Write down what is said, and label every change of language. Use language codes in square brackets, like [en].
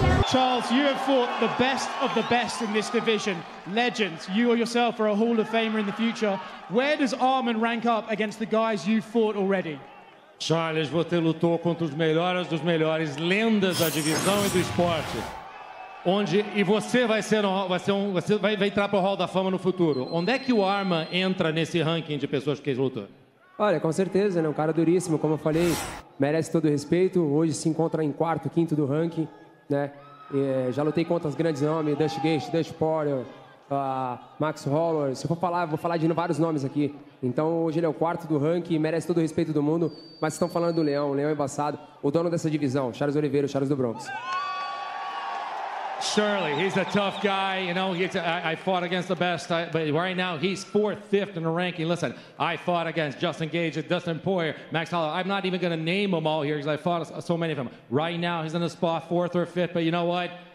[en] Charles, you have fought the best of the best in this division. Legends, you or yourself are a Hall of Famer in the future. Where does Arman rank up against the guys you've fought already? [pt] Charles, você lutou contra os melhores dos melhores, lendas da divisão e do esporte. Onde, e você vai ser, você vai entrar para o Hall da Fama no futuro. Onde é que o Arman entra nesse ranking de pessoas que lutam? Olha, com certeza, né? Um cara duríssimo, como eu falei, merece todo o respeito. Hoje se encontra em quarto, quinto do ranking, né? É, já lutei contra os grandes nomes, Dust Gage, Dust Poirier, Max Holloway. Se eu for falar, vou falar de vários nomes aqui. Então, hoje ele é o quarto do ranking, merece todo o respeito do mundo. Mas estão falando do Leão, Leão embaçado, o dono dessa divisão, Charles Oliveira, Charles do Bronx. [en] Surely, he's a tough guy, you know, I fought against the best, but right now he's fourth, fifth in the ranking. Listen, I fought against Justin Gage, Dustin Poirier, Max Holloway. I'm not even going to name them all here because I fought so many of them. Right now he's in the spot, fourth or fifth, but you know what?